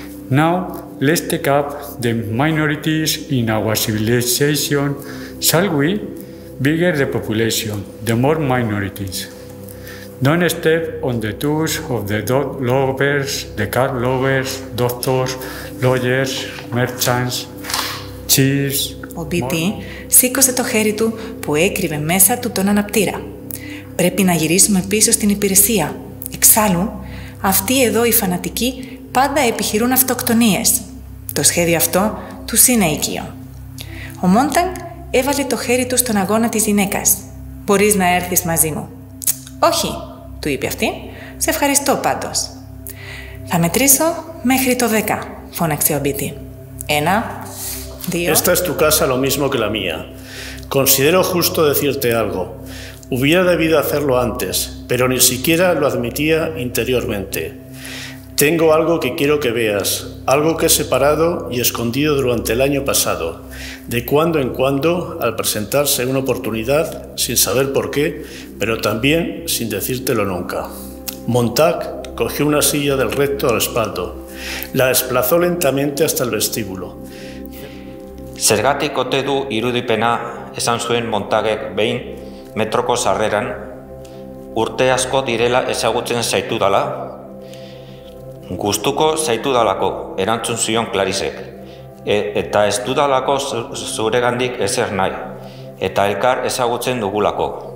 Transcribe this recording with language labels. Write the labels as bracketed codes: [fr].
[en] Now, let's take up the minorities in our civilization, shall we? Bigger the population, the more minorities. Don't step on the toes of the dog lovers, the car lovers, doctors, lawyers, merchants, chiefs. [el] Ο BP σήκωσε το χέρι του που έκρυβε μέσα του τον αναπτήρα. Πρέπει να γυρίσουμε πίσω στην υπηρεσία. Εξάλλου, αυτοί εδώ οι φανατικοί πάντα επιχειρούν αυτοκτονίες. Το σχέδιο αυτό του είναι οικείο. Ο Μόνταγκ έβαλε το χέρι του στον αγώνα της γυναίκας. «Μπορείς να έρθεις μαζί μου». «Όχι», του είπε αυτή. «Σε ευχαριστώ πάντως». «Θα μετρήσω μέχρι το 10», φώναξε ο Μπίτι. «Ένα, δύο...» [es] «Esta es tu casa lo mismo que la mía. Considero justo decirte algo. Hubiera debido hacerlo antes, pero ni siquiera lo admitía interiormente. Tengo algo que quiero que veas, algo que he separado y escondido durante el año pasado. De cuando en cuando, al presentarse una oportunidad, sin saber por qué, pero también sin decírtelo nunca». Montag cogió una silla del recto al respaldo. La desplazó lentamente hasta el vestíbulo. [eu] «Zergatik ote du irudipena», esan zuen Montagek behin metroko sarreran, «urte asko direla ezagutzen zaitu dala». «Gustuko zaitudalako», erantzun zion Clarisek. «Eta ez dudalako zuregandik ezer nahi, eta elkar ezagutzen dugulako.